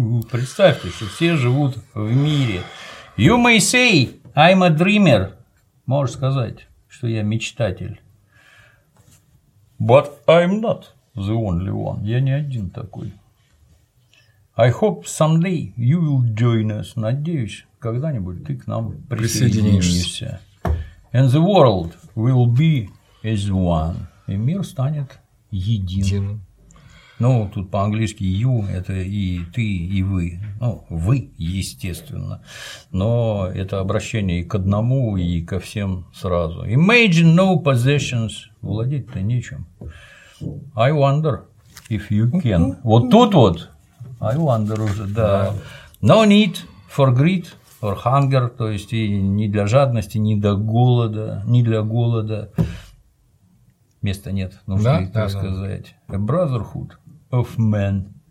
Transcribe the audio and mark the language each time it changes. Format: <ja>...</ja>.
<ru>Представьте, что все живут в мире.</ru> <en>You may say I'm a dreamer,</en> <ru>можешь сказать, что я мечтатель.</ru> <en>But I'm not the only one,</en> <ru>я не один такой.</ru> <en>I hope someday you will join us,</en> <ru>надеюсь, когда-нибудь ты к нам присоединишься.</ru> <en>And the world will be as one,</en> <ru>и мир станет единым. Ну, тут по-английски you – это и ты, и вы, ну, вы, естественно, но это обращение и к одному, и ко всем сразу.</ru> <en>Imagine no possessions –</en> <ru>владеть-то нечем.</ru> <en>I wonder if you can.</en> <ru>Вот тут вот</ru> <en>I wonder</en> <ru>уже, да.</ru> <en>No need for greed or hunger,</en> <ru>то есть и не для жадности, не для голода, не для голода. Места нет, нужно это сказать.</ru> <en>A brotherhood. Of men.</en>